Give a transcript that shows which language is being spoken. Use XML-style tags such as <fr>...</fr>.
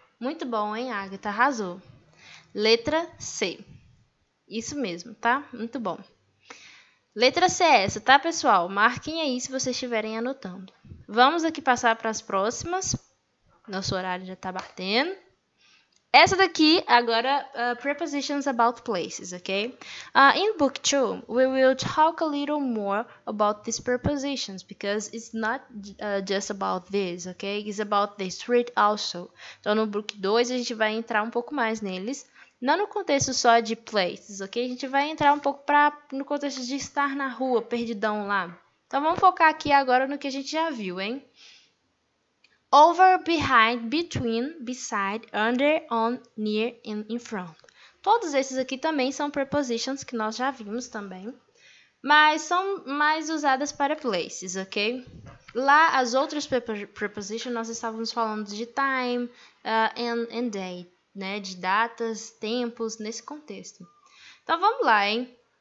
<pt>Muito bom, hein, Agatha? Arrasou. Letra C. Isso mesmo, tá? Muito bom. Letra C é essa, tá, pessoal? Marquem aí se vocês estiverem anotando. Vamos aqui passar para as próximas. Nosso horário já tá batendo. Essa daqui, agora, prepositions about places, ok?</pt> <en>In book 2, we will talk a little more about these prepositions, because it's not just about this, ok? It's about the street also.</en> <pt>Então, no book 2, a gente vai entrar um pouco mais neles. Não no contexto só de places, ok? A gente vai entrar um pouco no contexto de estar na rua, perdidão lá. Então, vamos focar aqui agora no que a gente já viu, hein?</pt> <en>Over, behind, between, beside, under, on, near, and in front.</en> <pt>Todos esses aqui também são prepositions que nós já vimos também. Mas são mais usadas para places, ok? Lá, as outras prepositions, nós estávamos falando de time and day, né? De datas, tempos, nesse contexto. Então, vamos lá, hein?</pt>